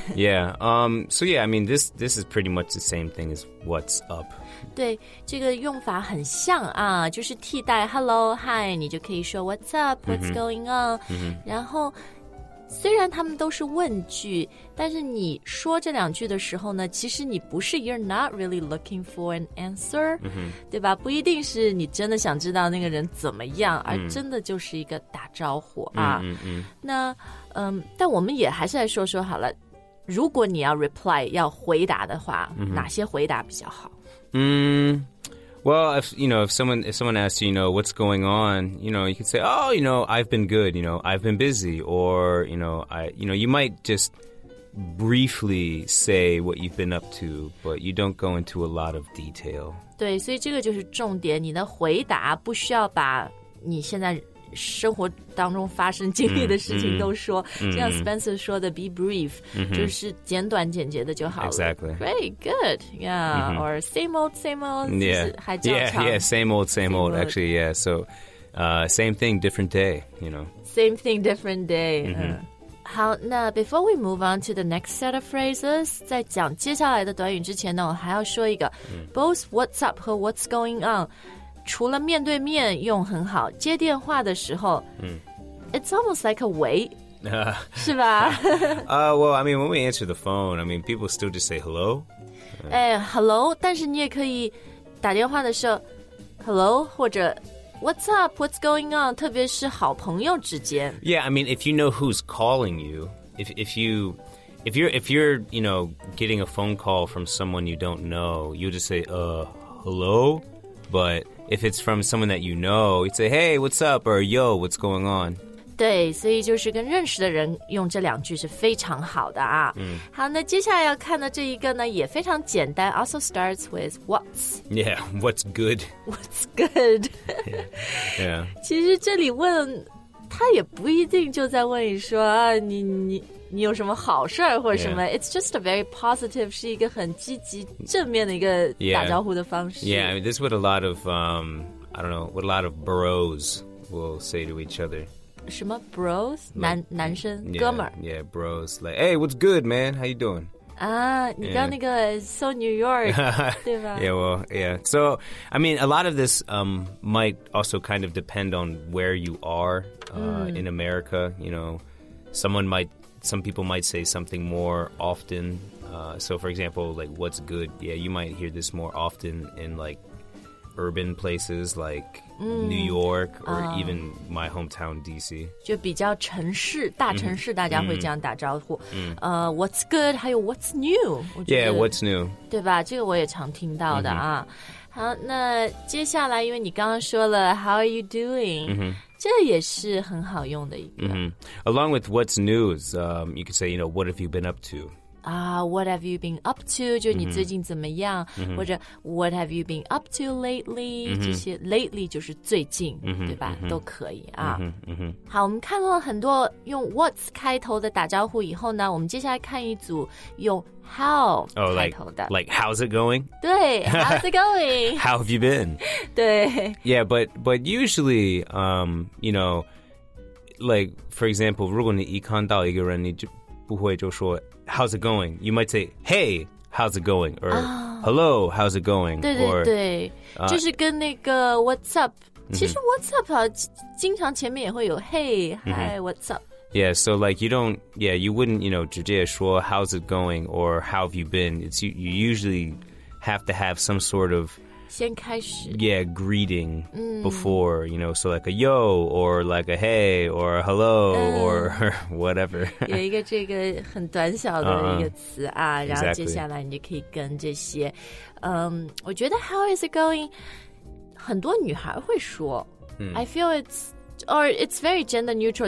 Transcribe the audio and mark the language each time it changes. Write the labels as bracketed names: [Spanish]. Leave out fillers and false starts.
[English] this is pretty much the same thing as what's up. [Chinese] 对,这个用法很像啊,就是替代 [English] hello, hi, [Chinese] 你就可以说 [English] what's up, what's going on. [Chinese] 然后,虽然他们都是问句,但是你说这两句的时候呢,其实你不是 [English] you're not really looking for an answer, [Chinese] 对吧? 不一定是你真的想知道那个人怎么样,而真的就是一个打招呼啊。那,但我们也还是来说说好了,如果你要 reply, 要回答的话,哪些回答比较好? [English] Well, if someone asks you, what's going on, you could say, oh, I've been good, I've been busy, or, you might just briefly say what you've been up to, but you don't go into a lot of detail. [Chinese] 对,所以这个就是重点,你的回答不需要把你现在生活当中发生经历的事情都说,像 Spencer 说的 [English] be brief, [Chinese] 就是简短简洁的就好了。 [English] Exactly. Great, good, yeah, or same old, same old, actually, yeah, so same thing, different day, Same thing, different day. [Chinese] 好,那 [English] before we move on to the next set of phrases, [Chinese] 在讲接下来的短语之前呢,我还要说一个 [English] both what's up 和 what's going on, [Chinese] 除了面对面用很好接电话的时候、 [English] It's almost like a way [Chinese] 是吧 [English] when we answer the phone people still just say hello [Chinese] hello 但是你也可以打电话的时候 hello 或者 [English] what's up what's going on [Chinese] 特别是好朋友之间 [English] if you know who's calling you if you're getting a phone call from someone you don't know you just say hello but if it's from someone that you know, you'd say, hey, what's up, or yo, what's going on? [Chinese] 对，所以就是跟认识的人用这两句是非常好的啊。好，那接下来要看的这一个呢也非常简单， [English] also starts with what's. Yeah, what's good. What's good. Yeah. Yeah. [Chinese] 其实这里问他也不一定就在问你说啊，你有什么好事儿或者什么、 [English] yeah. It's just a very positive, [Chinese] 是一个很积极正面的一个打招呼的方式。 [English] Yeah, I mean, this is what a lot of, I don't know, what a lot of bros will say to each other. [Chinese] 什么 bros? 男生 [English] yeah, [Chinese] 哥们儿 [English] Yeah, bros. Like, hey, what's good, man? How you doing? [Chinese] 你刚那个 [English] So New York, [Chinese] 对吧 [English] Yeah, well, yeah. So, I mean, a lot of this might also kind of depend on where you are in America. You know, some people might say something more often. So, for example, like, what's good? Yeah, you might hear this more often in, like, urban places like New York or even my hometown, D.C. [Chinese] 就比较城市大城市大家会这样打招呼。 [English] What's good? 还有 what's new? Yeah, what's new? [Chinese] 对吧这个我也常听到的啊。好那接下来因为你刚刚说了 [English] how are you doing? [Chinese] 这也是很好用的一个。 [English] Along with what's news, you could say, you know, what have you been up to? What have you been up to? [Chinese] 就你最近怎么样、 [English] mm-hmm. [Chinese] 或者 [English] what have you been up to lately?、 Mm-hmm. [Chinese] 这些 lately 就是最近、 mm-hmm. 对吧、 mm-hmm. 都可以啊。 Mm-hmm. 好我们看到了很多用 what's 开头的打招呼以后呢我们接下来看一组用 how 开头的。 [English] Oh, like how's it going? 对 how's it going? How have you been? [Chinese] 对。 [English] Yeah, but usually, you know, like, for example, [Chinese] 如果你一看到一个人你就不会就说 [English] How's it going? You might say, hey, how's it going? Or,、hello, how's it going? [Chinese] 对对对 or, 就是跟那个 [English] what's up、 [Chinese] mm-hmm. 其实 what's up、啊、经常前面也会有 hey, hi,、mm-hmm. [English] what's up? Yeah, so like you don't, yeah, you wouldn't, you know, [Chinese] 直接说 [English] how's it going or how have you been? It's, you usually have to have some sort of [Chinese] 先开始 [English] Yeah, greeting、before, you know, so like a yo or like a hey or a hello、or whatever. [Chinese] 有一个这个很短小的一个词啊、然后接下来你就可以跟这些、我觉得 [English] how is it going? [Chinese] 很多女孩会说、 [English] I feel it's very gender neutral.